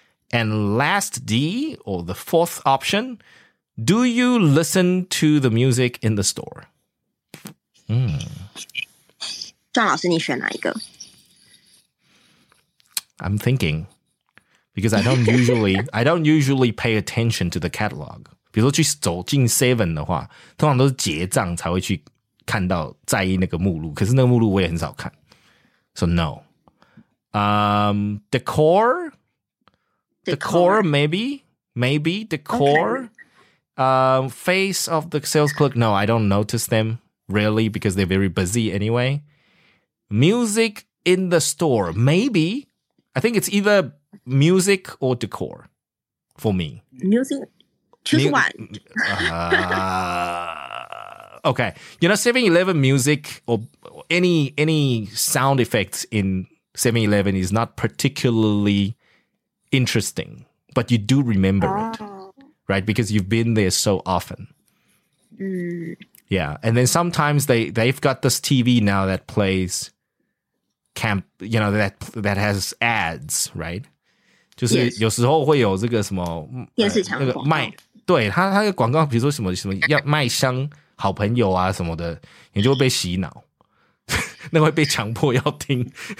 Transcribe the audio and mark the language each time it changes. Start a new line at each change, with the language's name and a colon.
English: And last D, or the fourth option, do you listen to the music in the store?
Chinese: 庄老师，你选哪一个？
English: I'm thinking... Because I don't usually pay attention to the catalog.
Chinese: 比如说去走进 Seven 的话，通常都是结账才会去看到在意那个目录。可是那个目录我也很少看。
English: So no. Decor maybe decor. Okay. Face of the sales clerk. No, I don't notice them really because they're very busy anyway. Music in the store. Maybe. I think it's either. Music or decor for me? Music. Choose one. okay. You know, 7-Eleven music or any sound effects in 7-Eleven is not particularly interesting, but you do remember it, right? Because you've been there so often. Yeah. And then sometimes they've got this TV now that plays camp, you know, that has ads, right?
Chinese: 就是有时候会有这个什么电视墙、那个卖，对他的广告，比如说什么要卖香好朋友啊什么的，你就会被洗脑，那会被强迫要听。